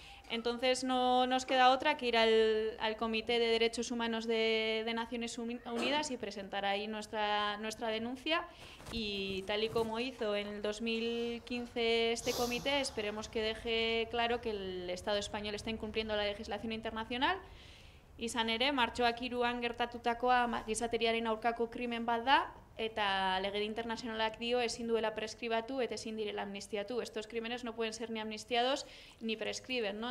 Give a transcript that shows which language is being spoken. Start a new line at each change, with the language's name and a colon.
Spanish: Entonces no nos queda otra que ir al Comité de Derechos Humanos de Naciones Unidas y presentar ahí nuestra denuncia, y tal y como hizo en el 2015 este comité, esperemos que deje claro que el Estado español está incumpliendo la legislación internacional.
Basque: Izan ere, martxoak 3an gertatutakoa gizateriaren aurkako krimen bat da, eta legedi internazionalak dio ezin duela preskribatu eta ezin direla amnistiatu.
Spanish: Estos crímenes no pueden ser ni amnistiados ni prescriben, ¿no?